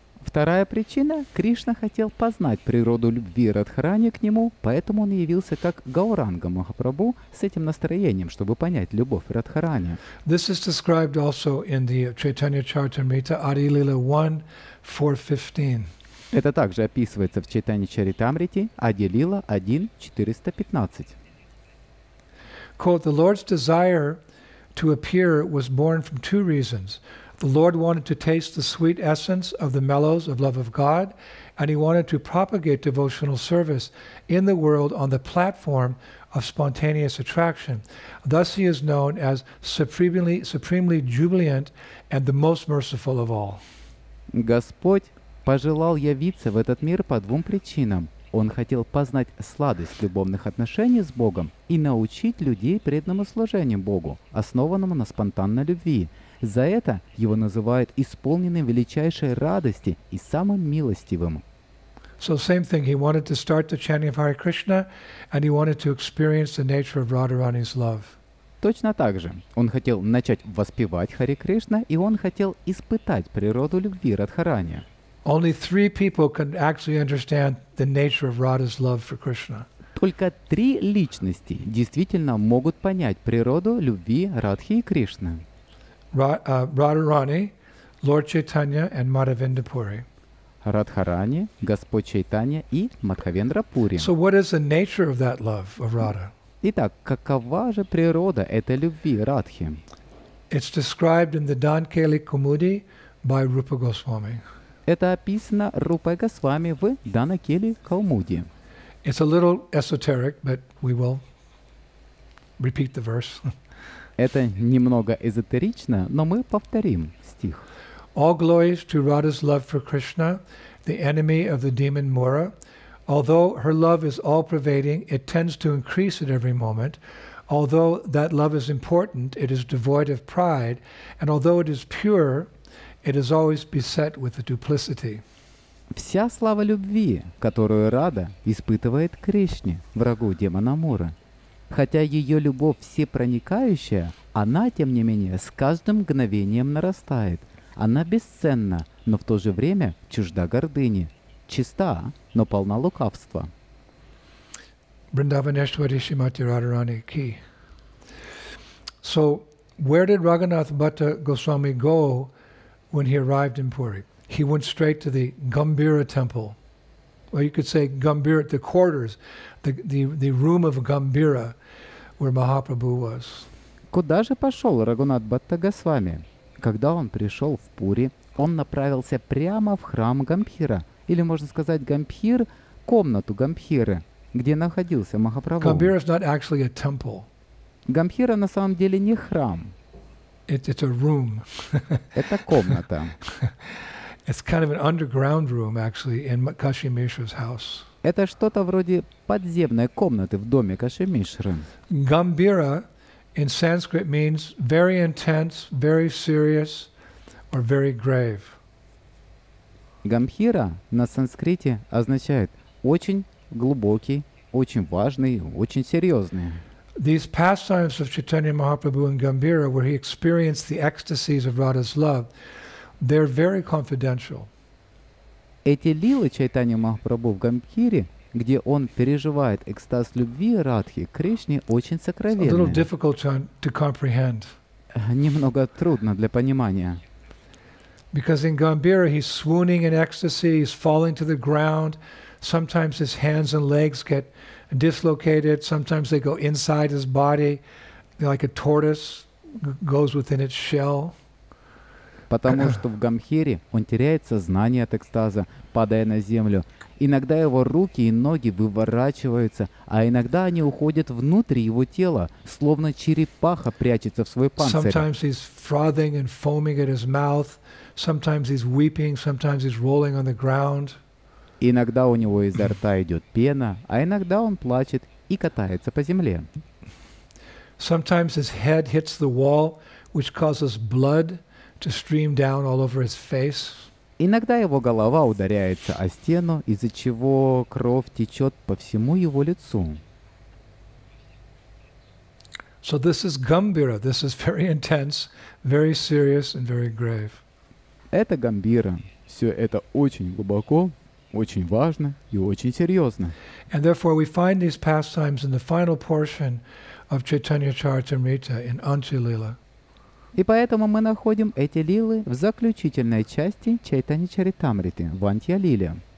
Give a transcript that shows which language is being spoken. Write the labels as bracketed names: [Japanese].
[Russian] Вторая причина – Кришна хотел познать природу любви Радхарани к нему, поэтому он явился как Гауранга Махапрабху с этим настроением, чтобы понять любовь Радхарани. [English] This is described also in the Chaitanya Charitamrita, Adilila 1.4.15. [Russian] Это также описывается в Чайтанья Чаритамрите, Адилила 1.415. [English] Quote, the Lord's desire to appear was born from two reasons. The Lord wanted to taste the sweet essence of the mellows of love of God, and he wanted to propagate devotional service in the world on the platform of spontaneous attraction. Thus he is known as supremely jubilant and the most merciful of all. [Russian] Господь пожелал явиться в этот мир по двум причинам. Он хотел познать сладость любовных отношений с Богом и научить людей преданному служению Богу, основанному на спонтанной любви. За это его называют исполненным величайшей радости и самым милостивым. [English] So same thing, he wanted to start the chanting of Hare Krishna, and he wanted to experience the nature of Radharani's love. [Russian] Точно так же. Он хотел начать воспевать Харе Кришна, и он хотел испытать природу любви Радхарани. [English] Only three people can actually understand the nature of Radha's love for Krishna. [Russian] Только три личности действительно могут понять природу любви Радхи и Кришны. [English] Radharani, Lord Chaitanya, and Madhavendrapuri. [Russian] Радхарани, Господь Чайтанья и Мадхавендрапури. [English] So what is the nature of that love of Radha? [Russian] Итак, какова же природа этой любви Радхи? [English] It's described in the Dankeli Kumudi by Rupa Goswami. [Russian] Это описано Рупой Госвами в Данакели Каумуди. [English] It's a little esoteric, but we will repeat the verse. [Russian] Это немного эзотерично, но мы повторим стих. [English] All glories to Radha's love for Krishna, the enemy of the demon Mura. Although her love is all-pervading, it tends to increase at every moment. Although that love is important, it is devoid of pride. And although it is pure, it is always beset with a duplicity. [Russian] Вся слава любви, которую Рада испытывает Кришне, врагу демона Мура. Хотя ее любовь всепроникающая, она, тем не менее, с каждым мгновением нарастает. Она бесценна, но в то же время чужда гордыни. Чиста, но полна лукавства. Бриндаванешвари Шримати Радхарани Ки. [English] So, where did Raghunath Bhatta Goswami go when he arrived in Puri? He went straight to the Gambira temple. Well, you could say Gambira, the quarters, the room of Gambira, where Mahaprabhu was. [Russian] Куда же пошел Рагунат Бхатта Госвами? Когда он пришел в Пури, он направился прямо в храм Гамбхира, или можно сказать Гамбхир, комнату Гамбхиры, где находился Махапрабху. [English] Gambira is not actually a temple. [Russian] Гамбхира на самом деле не храм. [English] It's a room. [Russian] Это комната. [English] It's kind of an underground room, actually, in Кашимишра's house. [Russian] Это что-то вроде подземной комнаты в доме Кашимишры. [English] Gambira in Sanskrit means very intense, very serious, or very grave. [Russian] Гамбхира на санскрите означает очень глубокий, очень важный, очень серьезный. [English] These pastimes of Chaitanya Mahaprabhu in Gambira, where he experienced the ecstasies of Radha's love, they're very confidential. [Russian] эти лилы Чайтанья Махапрабху в Гамбхире, где он переживает экстаз любви Радхи, Кришне очень сокровенные. Немного трудно для понимания. [English] Because in Gambhira he's swooning in ecstasy, he's falling to the ground. Sometimes his hands and legs get dislocated, sometimes they go inside his body, like a tortoise goes within its shell. [Russian] Потому что в Гамбхире он теряет сознание от экстаза, падая на землю. Иногда его руки и ноги выворачиваются, а иногда они уходят внутрь его тела, словно черепаха прячется в свой панцирь. [English] Sometimes he's frothing and foaming at his mouth. Sometimes he's weeping, sometimes he's rolling on the ground. [Russian] Иногда у него изо рта идет пена, а иногда он плачет и катается по земле. [English] Sometimes his head hits the wall, which causes blood to stream down all over his face. [Russian] Иногда его голова ударяется о стену, из-за чего кровь течет по всему его лицу. [English] So this is Gambhira. This is very intense, very serious and very grave. [Russian] Это Гамбира. Все это очень глубоко, очень важно и очень серьезно. [English] And therefore we find these pastimes in the final portion of Chaitanya Charitamrita in Anchalila. [Russian] И поэтому мы находим эти лилы в заключительной части Чайтани Чаритамриты в Анчалиле.